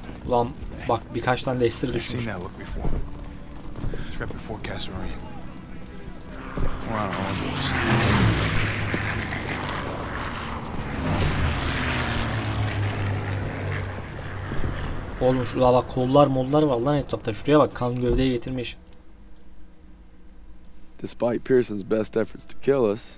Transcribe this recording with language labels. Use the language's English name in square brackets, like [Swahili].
[Turkish] Lan bak birkaç tane de esir düşmüş. [English] I've seen that look before. It's right before Casserine. We're on our own, boys. [Turkish] Oğlum şurada bak kollar mollar var lan etrafta. Şuraya bak kan gövdeye getirmiş. [English] Despite Pearson's best efforts to kill us.